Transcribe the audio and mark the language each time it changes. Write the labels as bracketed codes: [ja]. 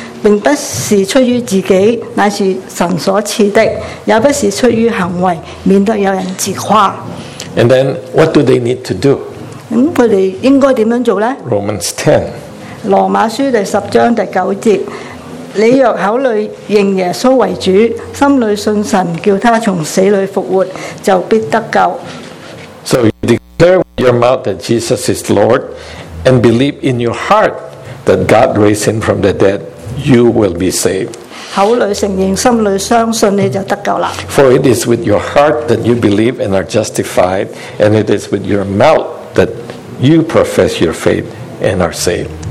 [zh] 並不是出於自己,乃是神所賜的,也不是出於行為,免得有人自誇。 [en] And then what do they need to do? [zh] 他們應該怎樣做呢? [en] Romans 10. [zh] 羅馬書第10章第9節,你若口裡認耶穌為主,心裡信神叫他從死裡復活,就必得救。 [en] So you declare with your mouth that Jesus is Lord and believe in your heart that God raised him from the dead. You will be saved. For it is with your heart that you believe and are justified, and it is with your mouth that you profess your faith and are saved.